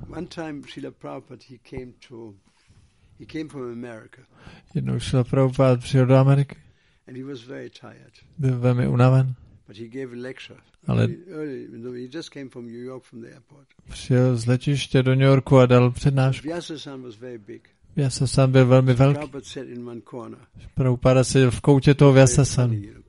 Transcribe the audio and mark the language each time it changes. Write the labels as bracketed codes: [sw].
[en] One time Srila Prabhupada, he came from America. [cs] Jednou Srila Prabhupada přijel do Ameriky. [en] And he was very tired. [cs] Byl velmi unaven. [en] But he gave a lecture. [cs] Ale [en] early, he just came from New York from the airport. [cs] Přijel z letiště do New Yorku a dal přednášku. [en] Vyasa-san was very big. [cs] Vyasa-san byl velmi velký. Prabhupada seděl v koutě toho Vyasa-san.